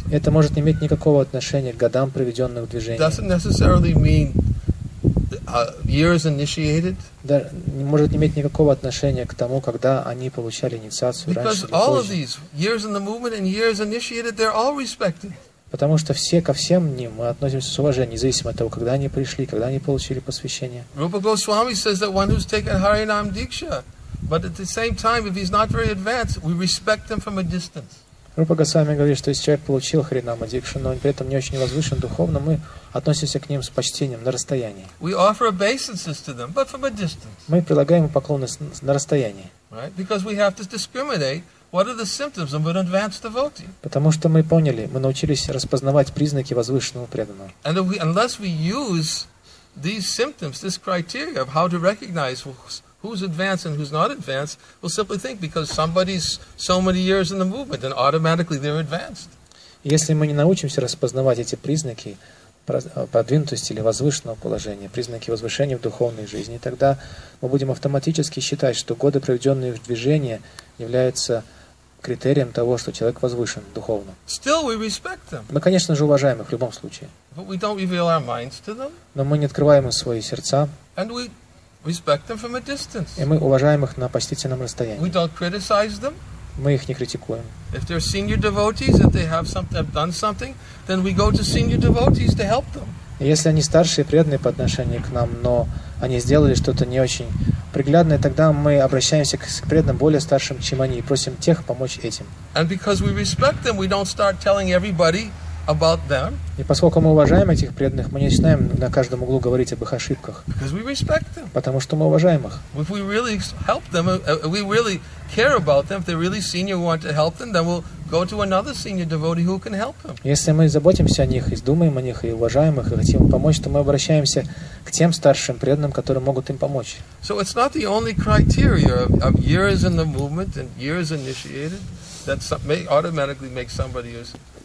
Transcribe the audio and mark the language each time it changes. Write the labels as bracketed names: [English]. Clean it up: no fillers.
[Russian] Это может не иметь никакого отношения к годам, проведенных в движении. [English] It doesn't necessarily mean years initiated. [Russian] Да, не может не иметь никакого отношения к тому, когда они получали инициацию раньше или позже. [English] Because all of these years in the movement and years initiated, they're all respected. [Russian] Потому что все ко всем ним мы относимся с уважением, независимо от того, когда они пришли, когда они получили посвящение. [English] Rupa Goswami says that one who's taken Harinam Diksha, but at the same time, if he's not very advanced, we respect him from a distance. [Russian] Рупа Госвами говорит, что если человек получил Харинам Адикшу, но он при этом не очень возвышен духовно, мы относимся к ним с почтением на расстоянии. [English] We offer obeisances to them, but from a distance. [Russian] Мы предлагаем поклонность на расстоянии. [English] Right? Because we have to discriminate what are the symptoms of an advanced devotee. [Russian] Потому что мы поняли, мы научились распознавать признаки возвышенного преданного. [English] And unless we use these symptoms, this criteria of how to recognize who's advanced and who's not advanced, we'll simply think because somebody's so many years in the movement, then automatically they're advanced. [Russian] Если мы не научимся распознавать эти признаки продвинутости или возвышенного положения, признаки возвышения в духовной жизни, тогда мы будем автоматически считать, что годы, проведенные в движении, являются критерием того, что человек возвышен духовно. [English] Still we respect them. [Russian] Мы, конечно же, уважаем их в любом случае. [English] But we don't reveal our minds to them. [Russian] Но мы не открываем им свои сердца. [English] And we respect them from a distance. [Russian] И мы уважаем их на почтительном расстоянии. [English] We don't criticize them. [Russian] Мы их не критикуем. [English] If they're senior devotees, if they have something, have done something, then we go to senior devotees to help them. [Russian] Если они старшие преданные по отношению к нам, но они сделали что-то не очень приглядное, тогда мы обращаемся к преданным более старшим, чем они, и просим тех помочь этим. [English] And because we respect them, we don't start telling everybody about them. [Russian] И поскольку мы уважаем этих преданных, мы не начинаем на каждом углу говорить об их ошибках. [English] Because we respect them. [Russian] Потому что мы уважаем их. [English] If we really help them, if we really care about them, if they're really senior, we want to help them, then we'll go to another senior devotee who can help them. [Russian] Если мы заботимся о них, и думаем о них, и уважаем их, и хотим помочь, то мы обращаемся к тем старшим преданным, которые могут им помочь. [English] So it's not the only criteria of years in the movement and years initiated that may automatically make somebody use.